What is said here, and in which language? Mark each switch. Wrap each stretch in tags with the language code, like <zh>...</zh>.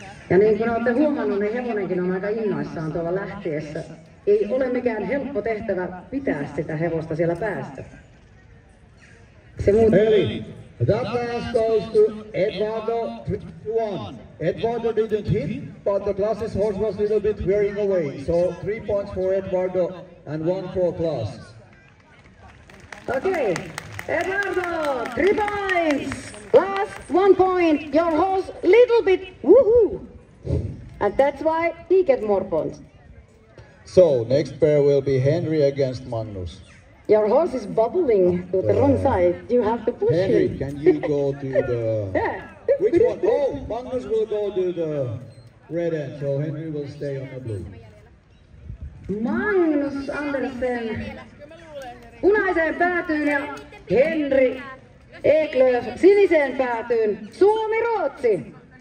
<fi>Ja niin kuin olette huomannut, niin hevonenkin on aika innoissaan tuolla lähtiessä. Ei ole mikään helppo tehtävä pitää sitä hevosta siellä päästä. Se muut...</fi> <en>Eli, that pass goes to Eduardo 3-1. Eduardo didn't hit, but the class's horse was a little bit wearing away. So 3 points for Eduardo. And one for class. Okay, Eduardo, 3 points. Class, 1 point. Your horse, little bit, woohoo. And that's why he get more points. So, next pair will be Henry against Magnus. Your horse is bubbling to the wrong side. You have to push Henry, him. Henry, can you go to the... yeah. Which one? Oh, Magnus will go to the red end, so Henry will stay on the blue.</en> <fi>Magnus Andersen punaiseen päätyyn ja Henry Eklöf siniseen päätyyn. Suomi-Ruotsi!</fi>